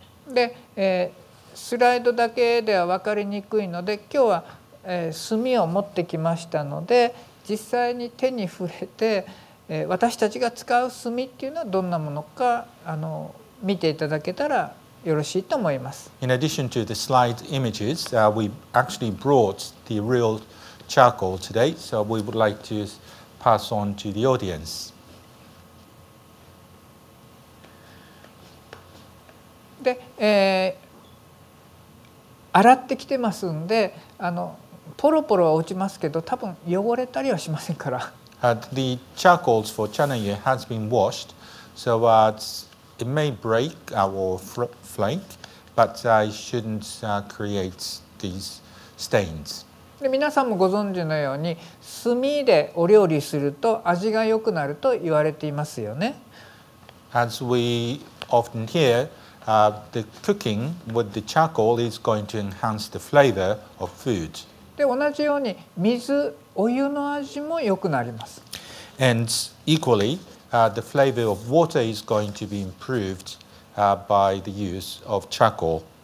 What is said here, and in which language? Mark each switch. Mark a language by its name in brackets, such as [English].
[Japanese] で、スライドだけでは分かりにくいので、今日は、炭を持ってきましたので、実際に手に触れて、私たちが使う炭っていうのはどんなものか、見ていただけたらよろしいと思います。 [English] In addition to the slide images, we actually brought the real charcoal today, so we would like to pass on to the audience. [Japanese] で、洗ってきてますんで、ポロポロは落ちますけど、多分汚れたりはしませんから。 [English] The charcoals for Chado yu has been washed, so it may break or flake, but it shouldn't create these stains. [Japanese] で、皆さんもご存知のように、炭でお料理すると味が良くなると言われていますよね。 [English] As we often hear,The cooking with the charcoal is going to enhance the flavor of food. [Japanese] で、同じように水、お湯の味も良くなります。 [English] And equally, the flavor of water is going to be improved, by the use of charcoal.